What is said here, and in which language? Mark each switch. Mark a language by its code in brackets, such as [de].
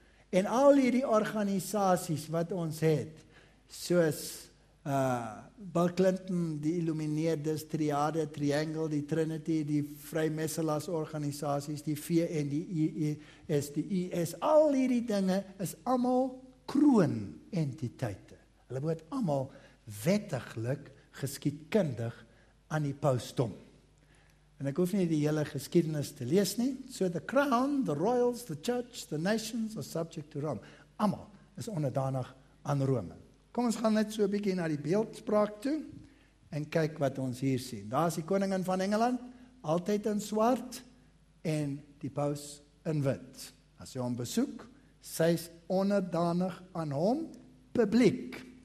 [af] En al hierdie organisasies wat ons het, soos Bill Clinton, die Illumineerdes, Triade, Triangle, die Trinity, die Vrymesselaars organisasies, die VN, die IES, die IS, al hierdie dinge is allemaal kroonentiteite. Hulle word allemaal wettiglik geskiedkundig aan die pausdom. En ek hoef nie die hele geskiedenis te lees nie. [en] So the crown, the royals, the church, the nations are subject to Rome. [af] Allemaal is onderdanig aan Rome. Kom, ons gaan net so 'n bietjie na die beeldspraak toe en kyk wat ons hier sien. Daar is die koningin van Engeland, altyd in swart, en die paus in wit. As jy hom besoek, sy is onderdanig aan hom, publiek.